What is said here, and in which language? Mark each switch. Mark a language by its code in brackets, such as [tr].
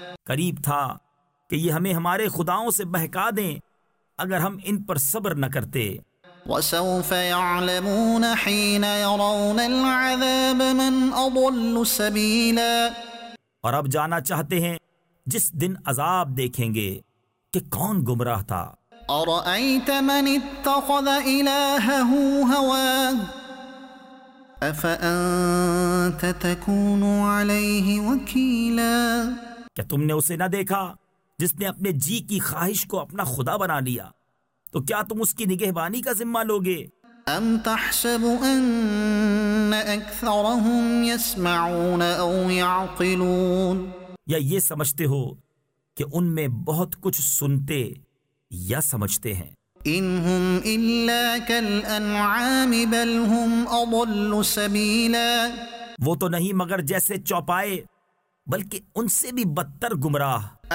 [ur] قریب تھا کہ یہ ہمیں ہمارے خداؤں سے بہکا دیں اگر ہم ان پر صبر نہ کرتے [ar] وسوف يعلمون حين يرون العذاب من أضل سبيلا [ur] اور اب جانا چاہتے ہیں جس دن عذاب دیکھیں گے کہ کون گمراہ تھا [ar] أرأيت من اتخذ إلهه هواه أفأنت تكون عليه وكيلا [ur] کیا تم نے اسے نہ دیکھا جس نے اپنے جی کی خواہش کو اپنا خدا بنا لیا تو کیا تم اس کی نگہبانی کا ذمہ لوگے [ar] أم تحسب أن أكثرهم يسمعون أو يعقلون [ur] یا یہ سمجھتے ہو کہ ان میں بہت کچھ سنتے یا سمجھتے ہیں [ar] انہم الا کالانعام بل ہم اضل سبیلا [ur] وہ تو نہیں مگر جیسے چوپائے بلکہ ان سے بھی بدتر گمراہ